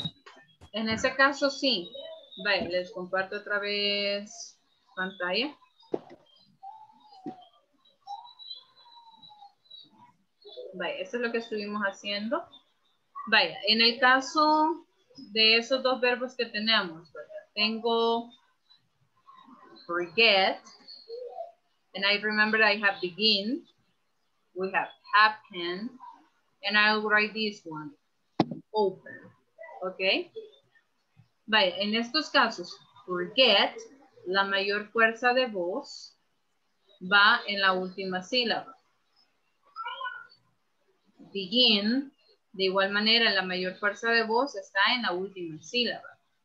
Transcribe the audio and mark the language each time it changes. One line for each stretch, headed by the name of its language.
Spanish: Sí. En ese caso, sí. Vale, les comparto otra vez pantalla. Vale, eso es lo que estuvimos haciendo. Vaya, vale, en el caso de esos dos verbos que tenemos, ¿verdad?
English: Tengo forget, and I remember I have begin, we have happen, and I'll write this one, open, okay?
Spanish: Vaya, en estos casos, forget, la mayor fuerza de voz va en la última sílaba. Begin, de igual manera, la mayor fuerza de voz está en la última sílaba.